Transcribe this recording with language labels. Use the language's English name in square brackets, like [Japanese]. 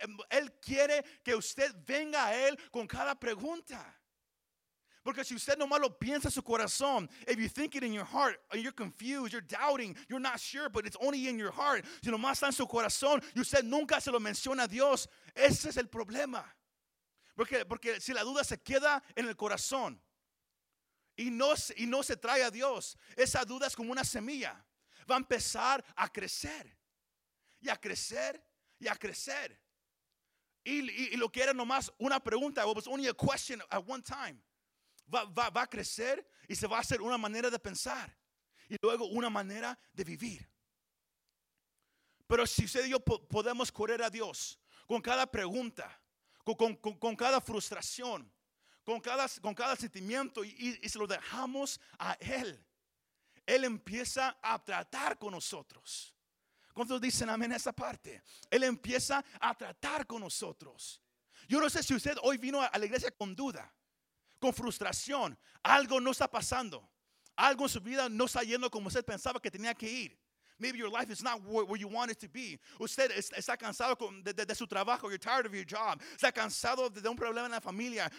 [Spanish] Él quiere que usted venga a él con cada pregunta. Porque si usted nomás lo piensa en su corazón, [English] if you think it in your heart, you're confused, you're doubting, you're not sure, but it's only in your heart. [Spanish] Si nomás está en su corazón y usted nunca se lo menciona a Dios, ese es el problema. Porque si la duda se queda en el corazón, Y no se trae a Dios, esa duda es como una semilla. Va a empezar a crecer. Y a crecer. Y a crecer. Y lo que era nomás una pregunta. [English] It was only a question at one time. [Spanish] va a crecer y se va a hacer una manera de pensar y luego una manera de vivir. Pero si usted y yo podemos correr a Dios con cada pregunta, con cada frustración, con cada sentimiento y se lo dejamos a Él, Él empieza a tratar con nosotros. ¿Cuántos dicen amén a esa parte? Él empieza a tratar con nosotros. Yo no sé si usted hoy vino a la iglesia con duda, con frustración. Algo no está pasando. Algo en su vida no está yendo como usted pensaba que tenía que ir. [English] Maybe your life is not where you want it to be. [Spanish] Usted está cansado de su trabajo. [English] You're tired of your job. [Spanish] Está cansado de un problema en la familia.